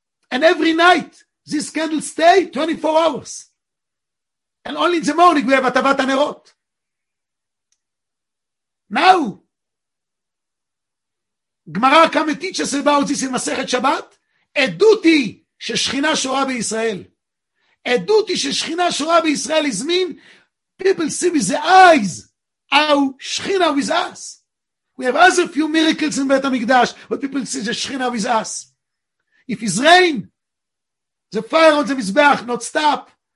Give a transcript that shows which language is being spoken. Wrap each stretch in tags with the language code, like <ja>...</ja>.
<en>And every night, this candle stay 24 hours. And only in the morning, we have Atavat HaNerot. Now, Gemara come and teach us about this in Masechet Shabbat. A duty</en> <he>ששכינה שורה בישראל.</he> <en>A duty</en> <he>ששכינה שורה בישראל</he> <en>is mean people see with the eyes how שכינה with us. We have other few miracles in Beit HaMikdash, but people see the שכינה with us. If it's rain, the fire on the Mizbeach not stop.</en>